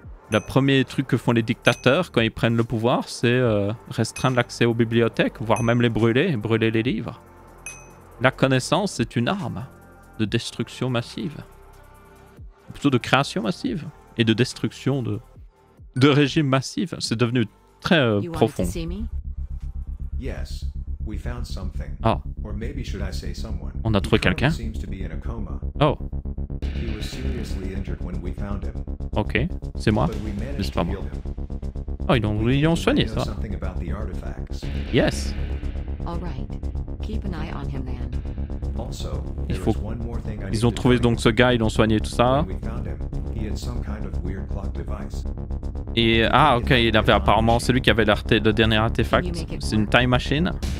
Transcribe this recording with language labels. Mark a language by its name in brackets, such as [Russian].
[French] Le premier truc que font les dictateurs quand ils prennent le pouvoir, c'est restreindre l'accès aux bibliothèques, voire même les brûler, brûler les livres. La connaissance, c'est une arme de destruction massive. Plutôt de création massive et de destruction de régime massif. C'est devenu très profond. [English] Yes, We found something. Oh. Or maybe should I say someone? [French] On a trouvé quelqu'un? [English] Seems to be in a coma. Oh. He was seriously injured when we found him. [French] OK, c'est moi. Mais c'est pas moi. Oh, ils l'ont soigné, ça. [English] Something about the artifacts. Yes. All right. Keep an eye on him then. Also, there was one more thing I [French] ils ont trouvé donc ce gars, ils l'ont soigné tout ça. [English] We found him. He had some kind of weird clock device. [French] Et ah, OK, il avait apparemment celui qui avait le dernier artefact, c'est une time machine.